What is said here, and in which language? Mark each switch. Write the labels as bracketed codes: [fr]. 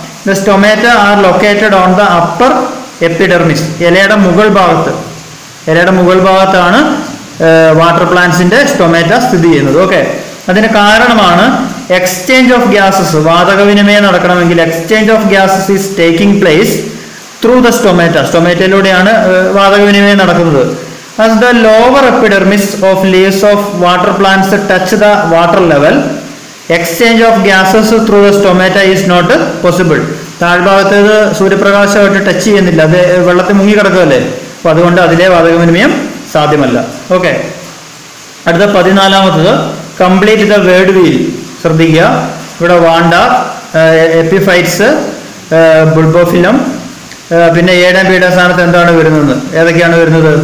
[en] the stomata are located on the upper epidermis, [ml] ഇലയുടെ മുകൾ ഭാഗത്ത്, ഇലയുടെ മുകൾ ഭാഗത്താണ് വാട്ടർ പ്ലാന്റ്സിന്റെ സ്റ്റൊമാറ്റ സ്ഥിതി ചെയ്യുന്നത്. ഓക്കെ, അതിന് കാരണമാണ് എക്സ്ചേഞ്ച് ഓഫ് ഗ്യാസസ്. വാതക വിനിമയം നടക്കണമെങ്കിൽ [en] Exchange of gases is taking place through the stomata. [ml] സ്റ്റൊമാറ്റയിലൂടെയാണ് വാതക വിനിമയം നടക്കുന്നത്. [en] As the lower epidermis of leaves of water plants touch the water level, exchange of gases through the stomata is not possible. [ml] താഴ്ഭാഗത്തെ സൂര്യപ്രകാശമായിട്ട് touch ചെയ്യുന്നില്ല, അത് വെള്ളത്തിൽ മുങ്ങിക്കിടക്കുകയല്ലേ, അപ്പൊ അതുകൊണ്ട് അതിലെ വാതകവിനിമയം സാധ്യമല്ല. ഓക്കെ, അടുത്ത 14-ാമത്തത്, [en] Complete the word wheel. [ml] ശ്രദ്ധിക്കുക, ഇവിടെ വാണ്ട, എപ്പിഫൈറ്റ്സ്, ബുൾബോഫിലം, പിന്നെ ഏഴാം പീഠ സ്ഥാനത്ത് എന്താണ് വരുന്നത്, ഏതൊക്കെയാണ് വരുന്നത്?